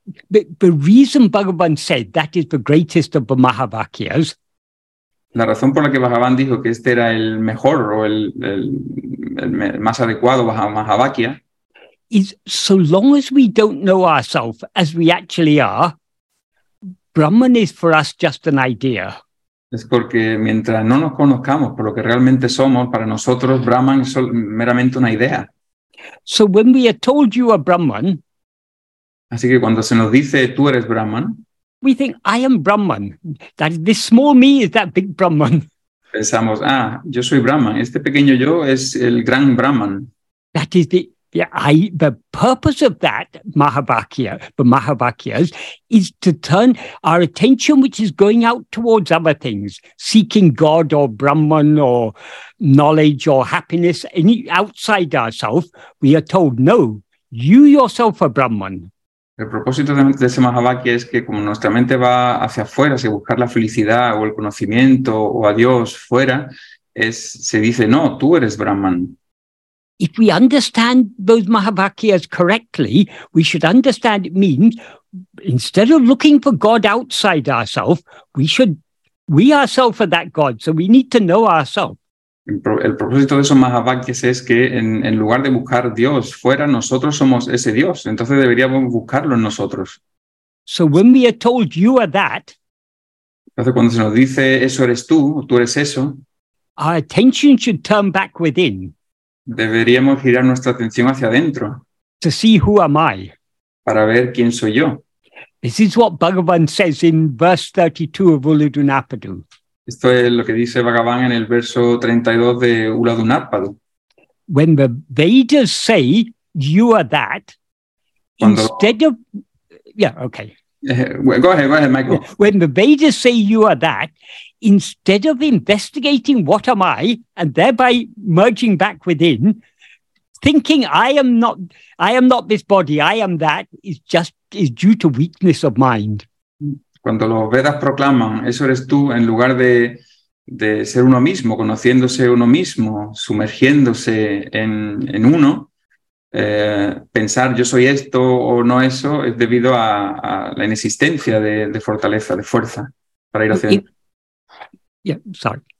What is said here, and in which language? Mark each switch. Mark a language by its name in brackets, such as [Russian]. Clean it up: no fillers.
[English] The reason Bhagavan said that is the greatest of the Mahavakyas. [Spanish] La razón por la que Bhagavan dijo que este era el mejor o el más adecuado Mahavakya [English] is so long as we don't know ourselves as we actually are, Brahman is for us just an idea. [Spanish] Es porque mientras no nos conozcamos por lo que realmente somos, para nosotros Brahman es meramente una idea. [English] So when we are told you are Brahman. [Spanish] Así que cuando se nos dice tú eres Brahman, [English] we think I am Brahman. That this small me is that big Brahman. [Spanish] Pensamos, ah, yo soy Brahman. Este pequeño yo es el gran Brahman. [English] That is the purpose of that Mahavakya, the Mahavakyas, is to turn our attention, which is going out towards other things, seeking God or Brahman or knowledge or happiness, any outside ourselves. We are told, no, you yourself are Brahman. [Spanish] El propósito de ese Mahavakya es que como nuestra mente va hacia afuera, si buscar la felicidad o el conocimiento o a Dios fuera, se dice, no, tú eres Brahman. [English] If we understand those Mahavakyas correctly, we should understand it means, instead of looking for God outside ourselves, we ourselves are that God, so we need to know ourselves. [Spanish] El propósito de esos Mahavakyas es que en lugar de buscar Dios fuera, nosotros somos ese Dios. Entonces deberíamos buscarlo en nosotros. [English] So when we are told you are that, [Spanish] entonces cuando se nos dice eso eres tú, tú eres eso, [English] our attention should turn back within. [Spanish] Deberíamos girar nuestra atención hacia adentro. [English] To see who am I. [Spanish] Para ver quién soy yo. [English] This is what Bhagavan says in verse 32 of Uludhunapadu. [Spanish] Esto es lo que dice Bhagavan en el verso 32 de Uludhunapadu. [English] When the Vedas say you are that, when the Vedas say you are that, instead of investigating what am I and thereby merging back within, thinking I am not this body, I am that, is due to weakness of mind. [Spanish] Cuando los Vedas proclaman, eso eres tú, en lugar de ser uno mismo, conociéndose uno mismo, sumergiéndose en uno, pensar yo soy esto o no eso, es debido a la inexistencia de fortaleza, de fuerza, para ir hacia